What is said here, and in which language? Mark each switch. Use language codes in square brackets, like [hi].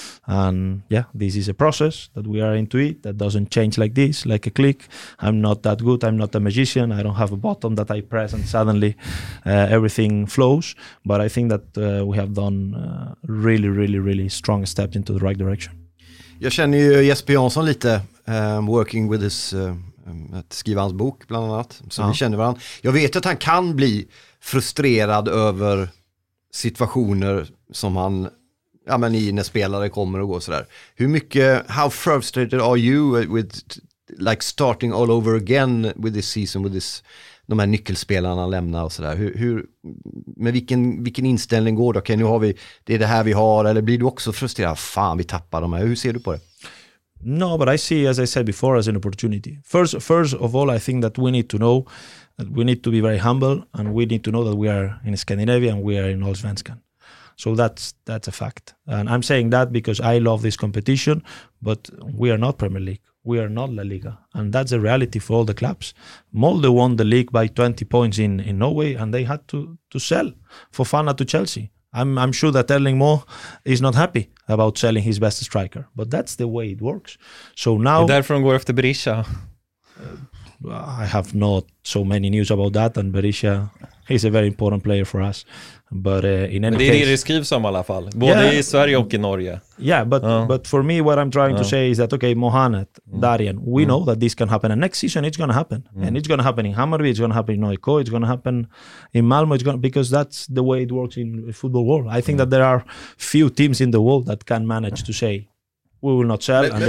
[en] And yeah, this is a process that we are into, it that doesn't change like this, like a click. I'm not that good, I'm not a magician, I don't have a button that I press and suddenly everything flows. But I think that we have done really, really, really strong steps into the right direction. [sv] Jag känner ju Jesper Jansson lite, [en] working with this [sv] att skriva hans bok bland annat, så vi känner varandra. Jag vet att han kan bli frustrerad över situationer som han, ja men i när spelare kommer och går så där. Hur mycket, [en] how frustrated are you with like starting all over again with this season, with this, [sv] de här nyckelspelarna lämnar och så där. Hur med vilken inställning går det? Okej, nu har vi, det är det här vi har, eller blir du också frustrerad? Fan, vi tappar de här. Hur ser du på det? [en] No, but I see, as I said before, as an opportunity. First of all, I think that we need to know that we need to be very humble, and we need to know that we are in Scandinavia and we are in Allsvenskan. So that's a fact. And I'm saying that because I love this competition, but we are not Premier League. We are not La Liga. And that's a reality for all the clubs. Molde won the league by 20 points in Norway, and they had to sell Fofana to Chelsea. I'm sure that Erling Moe is not happy about selling his best striker. But that's the way it works. So now, [sv] därför går efter Berisha. [en] I have not so many news about that. And Berisha is a very important player for us. But in any case, [sv] det är det skrivs om i alla fall. Både i Sverige och i Norge. [en] Yeah, but for me, what I'm trying to say is that, okay, Mohanet, Darien, we know that this can happen. And next season, it's going to happen. Mm. And it's going to happen in Hammarby, it's going to happen in OIKO, it's going to happen in Malmö, because that's the way it works in the football world. I think that there are few teams in the world that can manage to say, we will not sell.